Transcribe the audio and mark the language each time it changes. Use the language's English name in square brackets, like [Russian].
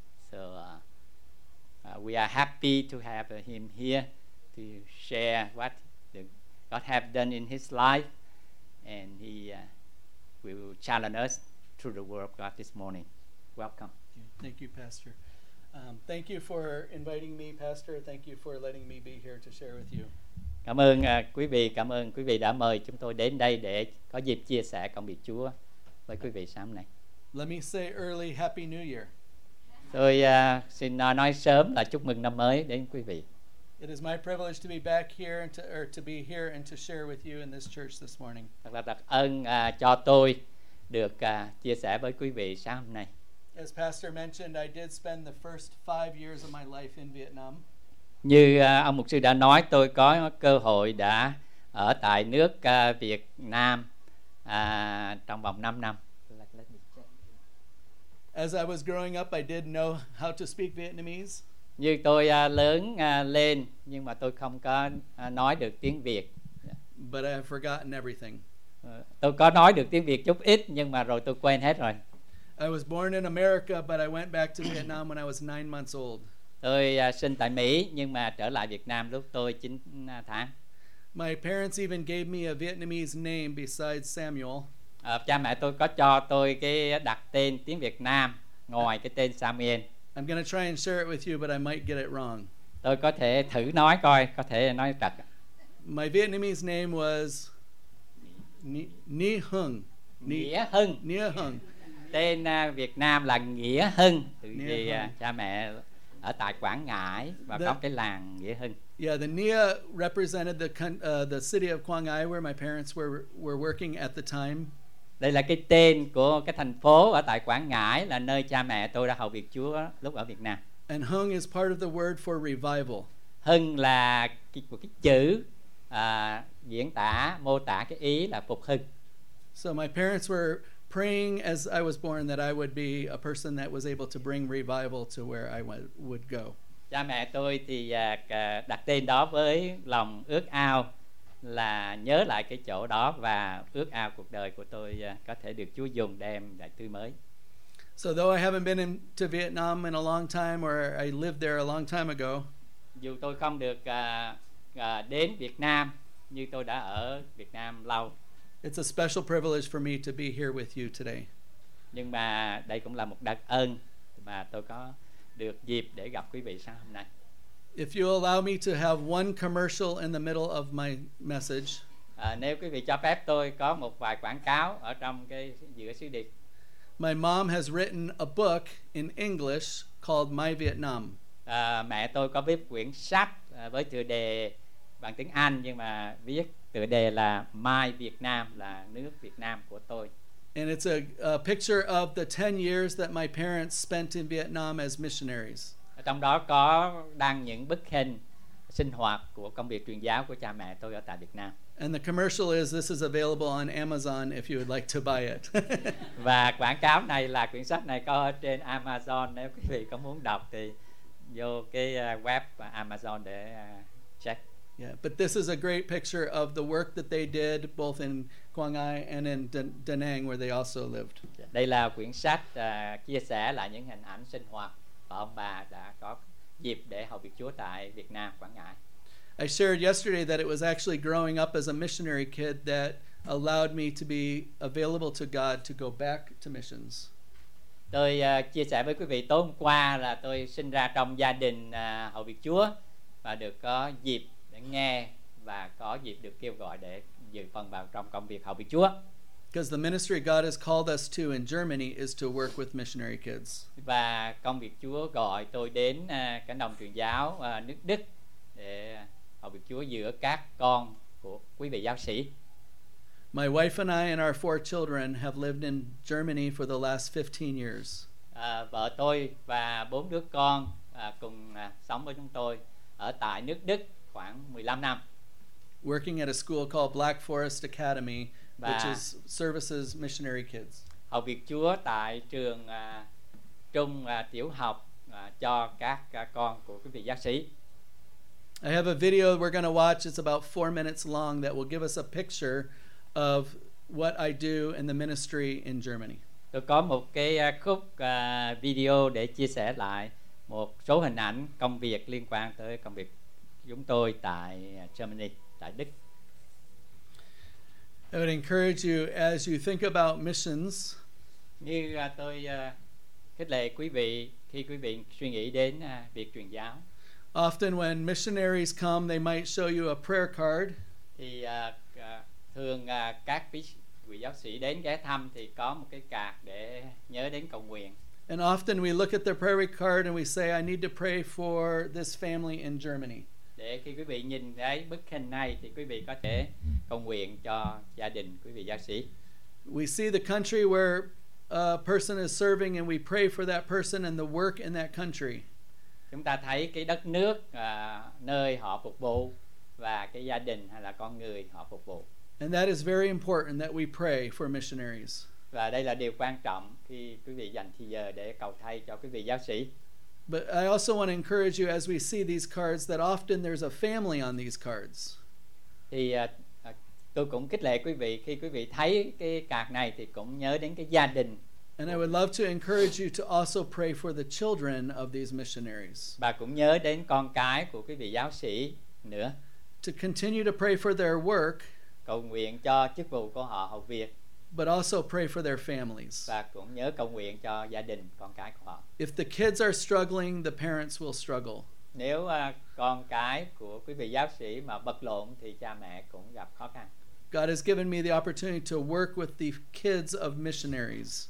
[English] So we are happy to have him here to share what God have done in his life, and he will challenge us through the word of God this morning. Welcome. Thank you, Pastor. Thank you for inviting me, Pastor. Thank you for letting me be here to share with you. [Vietnamese] Cảm ơn quý vị. Cảm ơn quý vị đã mời chúng tôi đến đây để có dịp chia sẻ công việc Chúa với quý vị sáng nay. [English] Let me say early Happy New Year. [Vietnamese] Tôi xin nói sớm là chúc mừng năm mới đến quý vị. [English] It is my privilege to be back here and to be here and to share with you in this church this morning. [Vietnamese] Thật là đặc ân cho tôi được chia sẻ với quý vị sáng hôm nay. [English] As Pastor mentioned, I did spend the first 5 years of my life in Vietnam. [Vietnamese] Như ông mục sư đã nói, tôi có cơ hội đã ở tại nước Việt Nam trong vòng 5 năm. [English] As I was growing up, I did know how to speak Vietnamese. [Vietnamese] Như tôi lớn lên, nhưng mà tôi không có nói được tiếng Việt. [English] But I have forgotten everything. [Vietnamese] Tôi có nói được tiếng Việt chút ít, nhưng mà rồi tôi quên hết rồi. [English] I was born in America, but I went back to Vietnam when I was 9 months old. [Vietnamese] Tôi sinh tại Mỹ, nhưng mà trở lại Việt Nam lúc tôi 9 tháng. [English] My parents even gave me a Vietnamese name besides Samuel. [Vietnamese] Cha mẹ tôi có cho tôi cái đặt tên tiếng Việt Nam ngoài cái tên Samuel. [English] I'm going to try and share it with you, but I might get it wrong. [Vietnamese] Tôi có thể thử nói coi, có thể nói trật. [English] My Vietnamese name was Nghĩa Hưng. [Vietnamese] Nghĩa Hưng. Nghĩa Hưng. Tên Việt Nam là Nghĩa Hưng, từ vì cha mẹ ở tại Quảng Ngãi và có cái làng Nghĩa Hưng. [English] Yeah, the Nghĩa represented the city of Quảng Ngãi where my parents were working at the time. [Vietnamese] Đây là cái tên của cái thành phố ở tại Quảng Ngãi, là nơi cha mẹ tôi đã hầu việc Chúa lúc ở Việt Nam. [English] And Hưng is part of the word for revival. [Vietnamese] Hưng là cái chữ diễn tả, mô tả cái ý là phục hưng. [English] So my parents were praying as I was born that I would be a person that was able to bring revival to where I would go. [Vietnamese] Cha mẹ tôi thì đặt tên đó với lòng ước ao là nhớ lại cái chỗ đó và ước ao cuộc đời của tôi có thể được Chúa dùng đem lại tươi mới. [English] So though I haven't been to Vietnam in a long time or I lived there a long time ago, [Vietnamese] dù tôi không được đến Việt Nam như tôi đã ở Việt Nam lâu, [English] it's a special privilege for me to be here with you today. [Vietnamese] Nhưng mà đây cũng là một đặc ân mà tôi có được dịp để gặp quý vị sáng hôm nay. [English] If you allow me to have one commercial in the middle of my message, [Vietnamese] nếu quý vị cho phép tôi có một vài quảng cáo ở trong cái giữa sứ điệp. [English] My mom has written a book in English called My Vietnam. [Vietnamese] Mẹ tôi có viết quyển sách với tựa đề bằng tiếng Anh nhưng mà viết tựa đề là My Vietnam, là nước Việt Nam của tôi. [English] And it's a picture of the 10 years that my parents spent in Vietnam as missionaries. [Vietnamese] Ở trong đó có đăng những bức hình sinh hoạt của công việc truyền giáo của cha mẹ tôi ở tại Việt Nam. [English] And the commercial is this is available on Amazon if you would like to buy it. [Vietnamese] Và quảng cáo này là quyển sách này có trên Amazon, nếu quý vị có muốn đọc thì vô cái web Amazon để check. [English] Yeah, but this is a great picture of the work that they did both in Quang Ngai and in Da Nang where they also lived. [Vietnamese] Đây là quyển sách chia sẻ lại những hình ảnh sinh hoạt của ông bà đã có dịp để hầu việc Chúa tại Việt Nam, Quảng Ngãi. [English] I shared yesterday that it was actually growing up as a missionary kid that allowed me to be available to God to go back to missions. [Vietnamese] Tôi chia sẻ với quý vị tối hôm qua là tôi sinh ra trong gia đình hầu việc Chúa và được có dịp để nghe và có dịp được kêu gọi để dự phần vào trong công việc hầu việc Chúa. [English] Because the ministry God has called us to in Germany is to work with missionary kids. [Vietnamese] Và công việc Chúa gọi tôi đến cánh đồng truyền giáo nước Đức để hầu việc Chúa giữa các con của quý vị giáo sĩ. [English] My wife and I and our four children have lived in Germany for the last 15 years. [Vietnamese] Vợ tôi và bốn đứa con cùng sống với chúng tôi ở tại nước Đức khoảng 15 năm. [English] Working at a school called Black Forest Academy, which is services missionary kids. [Vietnamese] Hầu việc Chúa tại trường trung tiểu học cho các con của quý vị giáo sĩ. [English] I have a video we're going to watch. It's about 4 minutes long that will give us a picture of what I do in the ministry in Germany. [Vietnamese] Tôi có một cái khúc video để chia sẻ lại một số hình ảnh công việc liên quan tới công việc chúng tôi tại Germany, tại Đức. [English] I would encourage you as you think about missions. [Vietnamese] Như tôi khích lệ quý vị khi quý vị suy nghĩ đến việc truyền giáo. [English] Often when missionaries come, they might show you a prayer card. [Vietnamese] Thì thường các vị giáo sĩ đến ghé thăm thì có một cái card để nhớ đến cầu nguyện. [English] And often we look at the prayer card and we say, I need to pray for this family in Germany. [Vietnamese] Để khi quý vị nhìn thấy bức hình này thì quý vị có thể cầu nguyện cho gia đình quý vị giáo sĩ. [English] We see the country where a person is serving and we pray for that person and the work in that country. [Vietnamese] Chúng ta thấy cái đất nước nơi họ phục vụ và cái gia đình hay là con người họ phục vụ. [English] And that is very important that we pray for missionaries. [Vietnamese] Và đây là điều quan trọng khi quý vị dành thời giờ để cầu thay cho quý vị giáo sĩ. [English] But I also want to encourage you as we see these cards that often there's a family on these cards. [Vietnamese] Thì tôi cũng khích lệ quý vị khi quý vị thấy cái card này thì cũng nhớ đến cái gia đình. [English] And I would love to encourage you to also pray for the children of these missionaries. [Vietnamese] Và cũng nhớ đến con cái của quý vị giáo sĩ nữa. [English] To continue to pray for their work. [Vietnamese] Cầu nguyện cho chức vụ của họ hầu việc. [English] But also pray for their families. [Vietnamese] Và cũng nhớ cầu nguyện cho gia đình con cái của họ. [English] If the kids are struggling, the parents will struggle. [Vietnamese] Nếu con cái của quý vị giáo sĩ mà bật lộn thì cha mẹ cũng gặp khó khăn. [English] God has given me the opportunity to work with the kids of missionaries.